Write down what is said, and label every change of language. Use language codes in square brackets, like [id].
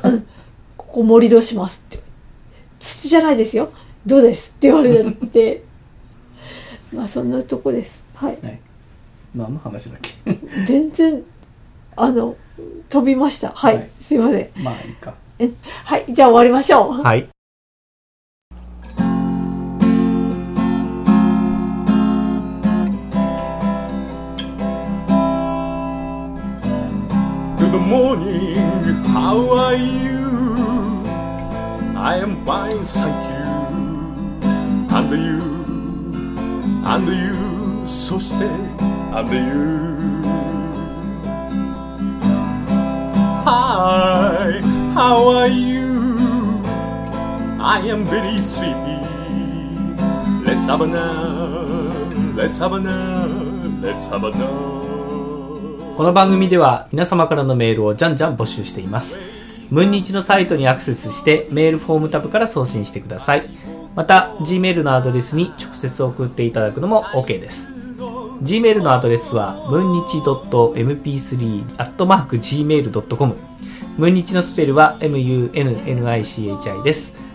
[ja] うん、ここ盛り土しますって、土じゃないですよ、土ですって言われてまあそんなとこです。はい、はい、何の話だっけ全然飛びました。はい、はい、すいません。まあいいか。はい、じゃあ終わりましょう。 [en] はい、Good morning, how are you? I am fine, thank you. And you, and you, [ja] そして [en] and you. Hi, how are you? I am very sleepy. Let's have a nap, let's have a nap, let's have a nap. [ja] この番組では皆様からのメールをじゃんじゃん募集しています。ムンニチのサイトにアクセスしてメールフォームタブから送信してください。また Gmail のアドレスに直接送っていただくのも OK です。 Gmail のアドレスは munnichi.mp3@gmail.com、 ムンニチのスペルは munnichi です。